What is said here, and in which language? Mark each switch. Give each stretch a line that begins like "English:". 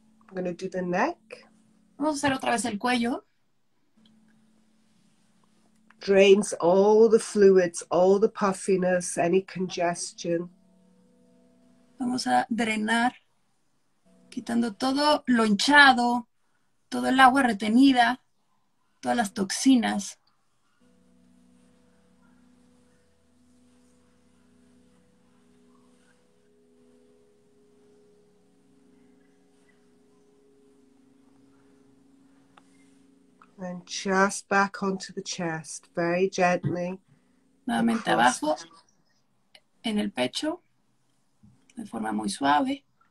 English: I'm going to do the neck.
Spanish: Vamos a hacer otra vez el cuello.
English: Drains all the fluids, all the puffiness, any congestion.
Spanish: Vamos a drenar, quitando todo lo hinchado, todo el agua retenida, todas las toxinas.
English: And just back onto the chest, very gently.
Spanish: Nuevamente abajo, en el pecho, de forma muy suave.